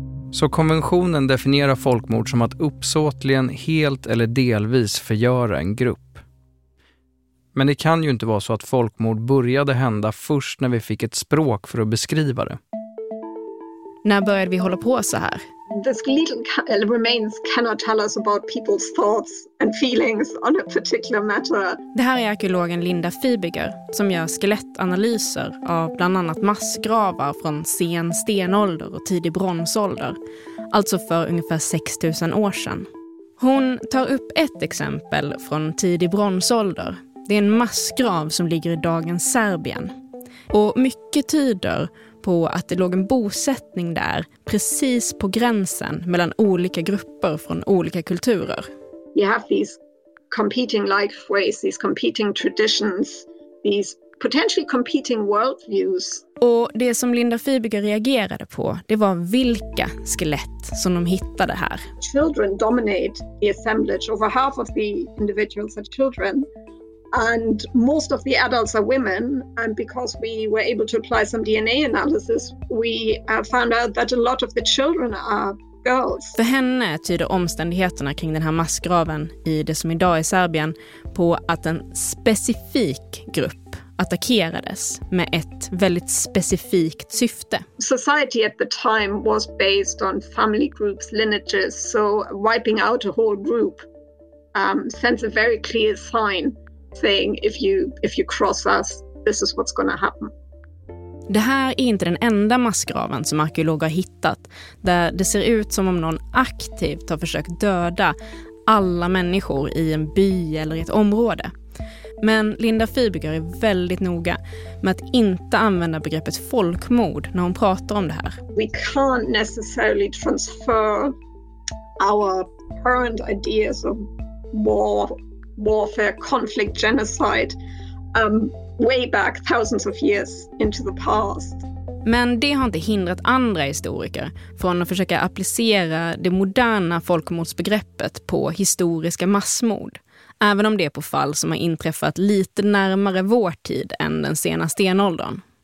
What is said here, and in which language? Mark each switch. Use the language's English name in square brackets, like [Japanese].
[Swedish] Så konventionen definierar folkmord som att uppsåtligen helt eller delvis förgöra en grupp. Men det kan ju inte vara så att folkmord började hända först när vi fick ett språk för att beskriva det. När började vi hålla på så här? [English] The skeletal remains cannot tell us about people's thoughts and feelings on a particular matter. [Swedish] Det här är arkeologen Linda Fibiger som gör skelettanalyser av bland annat massgravar från sen stenålder och tidig bronsålder, alltså för ungefär 6000 år sedan. Hon tar upp ett exempel från tidig bronsålder. Det är en massgrav som ligger i dagens Serbien. Och mycket tyder på att det låg en bosättning där, precis på gränsen mellan olika grupper från olika kulturer. [English] You have these competing life ways, these competing traditions, these potentially competing worldviews. [Swedish] Och det som Linda Fibiger reagerade på, det var vilka skelett som de hittade här. [English] Children dominate the assemblage. Over half of the individuals are children. And most of the adults are women, and because we were able to apply some DNA analysis, we found out that a lot of the children are girls. [Swedish] För henne tyder omständigheterna kring den här massgraven i det som idag är Serbien på att en specifik grupp attackerades med ett väldigt specifikt syfte. [English] Society at the time was based on family groups, lineages, so wiping out a whole group sends a very clear sign. Saying if you cross us, this is what's gonna happen. [Swedish] Det här är inte den enda massgraven som arkeologer har hittat där det ser ut som om någon aktivt har försökt döda alla människor i en by eller i ett område. Men Linda Fibiger är väldigt noga med att inte använda begreppet folkmord när hon pratar om det här. [English] We can't necessarily transfer our current ideas of warfare, conflict, genocide way back thousands of years into the past. [Swedish] Men det har inte hindrat andra historiker från att försöka applicera det moderna folkmordsbegreppet på historiska massmord, även om det är på fall som har inträffat lite närmare vår tid än den sena stenåldern.